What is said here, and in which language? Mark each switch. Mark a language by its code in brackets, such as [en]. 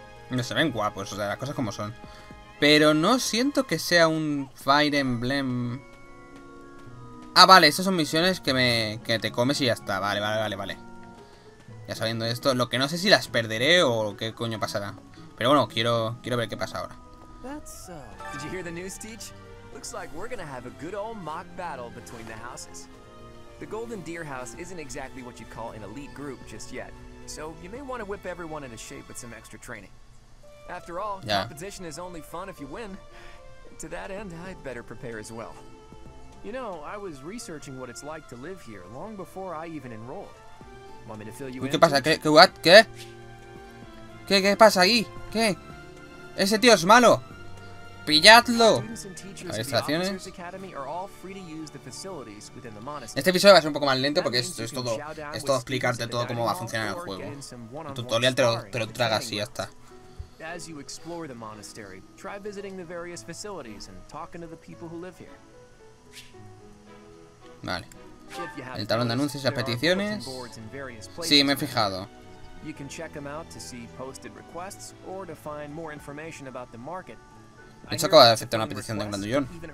[es] No se ven guapos, o sea, las cosas como son. Pero no siento que sea un Fire Emblem. Ah, vale, esas son misiones que te comes y ya está. Vale. ya sabiendo esto. Lo que no sé si las perderé o qué coño pasará. Pero bueno, quiero ver qué pasa ahora. [en] Did you hear the news, Teach? Looks like we're gonna have a good old mock battle between the houses. The Golden Deer House isn't exactly what you'd call an elite group just yet, so you may want to whip everyone into shape with some extra training. After all, competition is only fun if you win. To that end, I'd better prepare as well. You know, I was researching what it's like to live here long before I even enrolled. Want me to fill you in? [es] ¿Qué pasa? ¿Qué pasa ahí? ¿Qué? Ese tío es malo. ¡Pilladlo! Administraciones. Este episodio va a ser un poco más lento porque es todo explicarte todo cómo va a funcionar el juego. El tutorial te lo tragas y ya está. [en] As you explore the monastery, try visiting the various facilities and talking to the people who live here. [es] Vale. El tablón de anuncios y las peticiones. Sí, me he fijado. [en] You can check them out to see posted requests or to find more information about the market. [es] De hecho, acaba de aceptar una petición de un grandullón.